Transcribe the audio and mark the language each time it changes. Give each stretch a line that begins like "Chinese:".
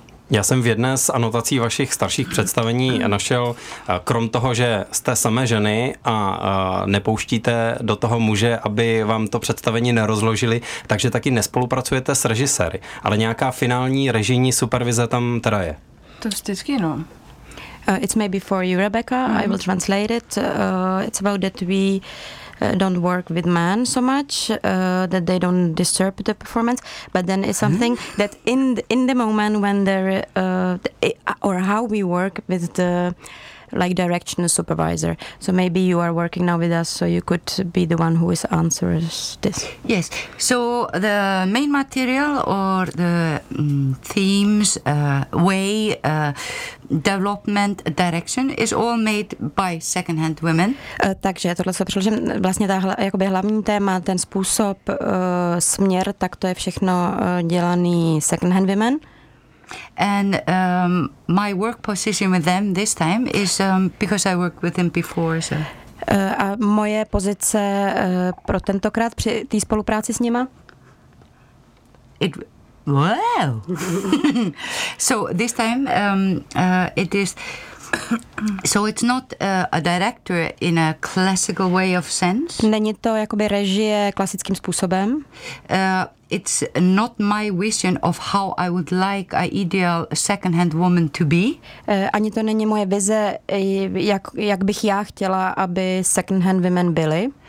Czech: Já jsem v jedné z anotací vašich starších představení našel, krom toho, že jste samé ženy a nepouštíte do toho muže, aby vám to představení nerozložili, takže taky nespolupracujete s režiséry, ale nějaká finální režijní supervize tam teda je. To vždycky, no.
English: It's maybe for you, Rebecca. I will translate it. It's about that we don't work with men so much, that they don't disturb the performance. But then it's something that in the moment when they're or how we work with the like direction supervisor. So maybe you are working now with us, so you could be the one who is answers this. Yes. So the main material or the themes, way, development, direction is all made by second hand women.
Czech: Takže tohle se přeložím, vlastně ta jakoby hlavní téma, ten způsob, směr, tak to je všechno dělaný second hand women.
English: And my work position with them this time is because I worked with them before. So.
Czech: A moje pozice pro tentokrát při té spolupráci s nima?
English: Wow! So this time it is. So it's not a director in a classical way of sense.
Czech: Není to jakoby režie klasickým způsobem.
English: It's not my vision of how I would like an ideal second-hand woman to be.
Czech: Ani to není moje vize, jak bych já chtěla, aby second-hand women byly.